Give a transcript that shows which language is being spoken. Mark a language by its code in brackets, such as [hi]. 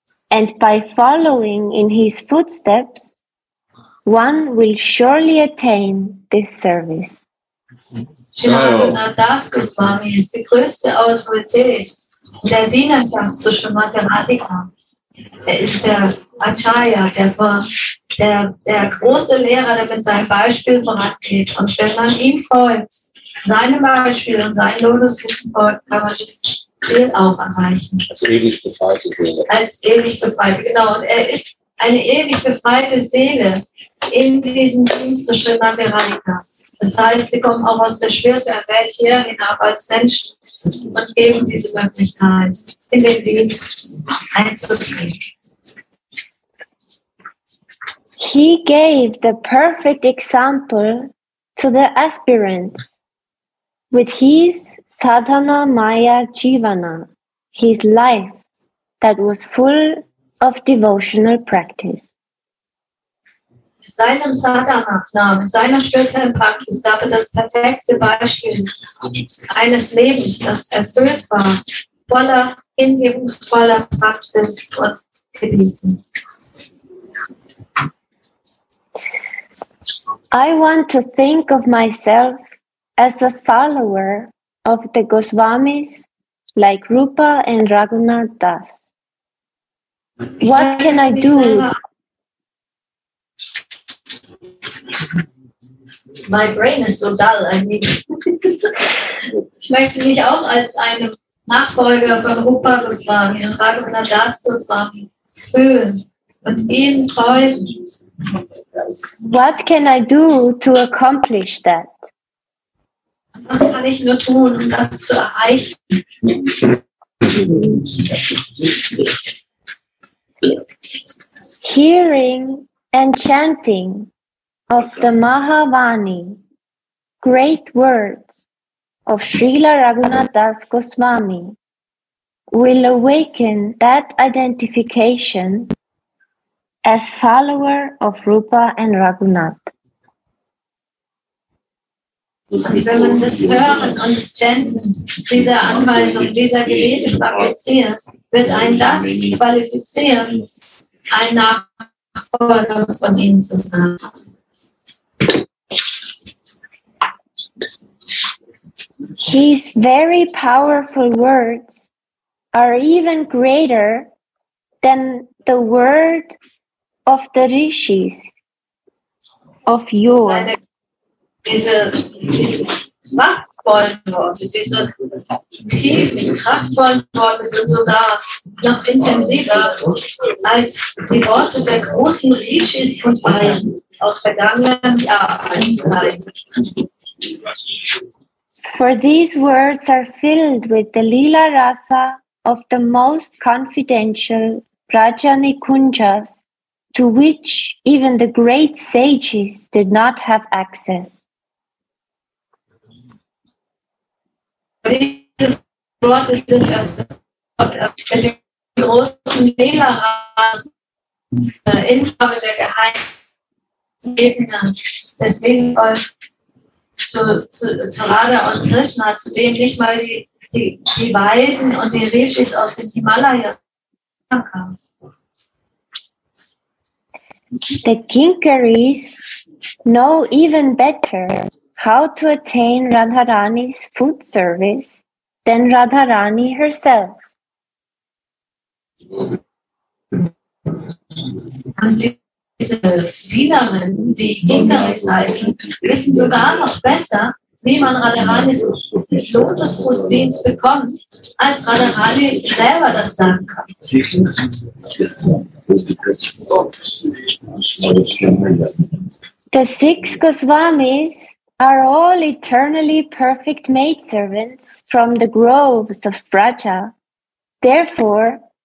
[en] And by following in his footsteps, one will surely attain this service. [de] Srimati Das Goswami ist die größte Autorität der Dienerschaft zu Srimati Radhika. Er ist der Acharya, der große Lehrer, der mit seinem Beispiel vorangeht. Und wenn man ihm folgt, seinem Beispiel und seinen Lotusfüßen folgt, kann man das Ziel auch erreichen. Als ewig befreite Seele. Als ewig befreite, genau. Und er ist eine ewig befreite Seele in diesem Dienst zu Srimati Radhika. Das heißt, sie kommen auch aus der spirituellen Welt hier hinab als Menschen und geben diese Möglichkeit, in den Dienst einzutreten. [en] He gave the perfect example to the aspirants with his sadhana maya jivana, his life that was full of devotional practice. [de] Seinem Sadhana-Namen, seiner spirituellen Praxis, gab er das perfekte Beispiel eines Lebens, das erfüllt war, voller hingebungsvoller Praxis und Gebieten. [en] I want to think of myself as a follower of the Goswamis like Rupa and Raghunath Das. What can I do? My brain is so dull, I mean. [de] Ich möchte mich auch als einem Nachfolger von Rupa Goswami und Raghunath Das Goswami fühlen und ihnen freuen. [en] What can I do to accomplish that? [de] Was kann ich nur tun, um das zu erreichen? [en] Hearing and chanting of the Mahavani, great words of Srila Raghunath Das Goswami, will awaken that identification as follower of Rupa and Raghunath. [de] Und wenn man das Hören und das Chanten dieser Anweisung, dieser Gebete praktiziert, wird ein das qualifizieren, ein Nachfolger von ihnen zu sein. [en] His very powerful words are even greater than the word of the rishis of yore. [de] Diese machtvollen Worte, diese tiefen, kraftvollen Worte sind sogar noch intensiver als die Worte der großen Rishis und Weisen aus vergangenen Jahren. [en] For these words are filled with the lila rasa of the most confidential prajanikunjas, to which even the great sages did not have access. [de] Diese Worte sind für den großen Lehrer in Form der Geheimebene des Lebens zu Radha und Krishna, zu dem nicht mal die Weisen und die Rishis aus dem Himalaya kamen. [en] The Kinkaris know even better how to attain Radharani's foot service than Radharani herself. [de] Und diese Dienerinnen, die Kinkaris heißen, wissen sogar noch besser, wie man Radharanis Lotusfußdienst bekommt, als Radharani selber das sagen kann. [en] The six Goswamis are all eternally perfect maidservants from the groves of Vraja. Therefore,